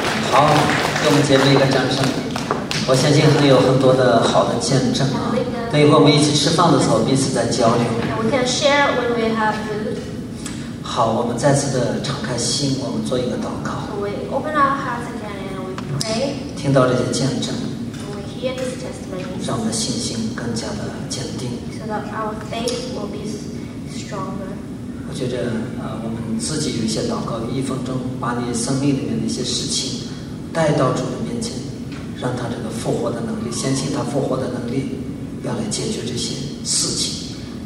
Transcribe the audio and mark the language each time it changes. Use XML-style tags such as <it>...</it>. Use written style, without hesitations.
<zh>好，给我们姐妹一个掌声。我相信会有很多的好的见证啊。等一会儿我们一起吃饭的时候，彼此在交流。</zh> <en>We can share when we have food.</en> <zh>好，我们再次的敞开心，我们做一个祷告。</zh> <en>So、we open our hearts again and we pray.</en> <zh>听到这些见证。</zh> <en>We hear this testimony.</en> <zh>让我们的信心更加的坚定。</zh> <en>So that our faith will be stronger.</en> <zh>觉得我们自己有一些祷告，一分钟把你生命里面的一些事情带到主的面前，让他这个复活的能力，相信他复活的能力要来解决这些事情。</zh>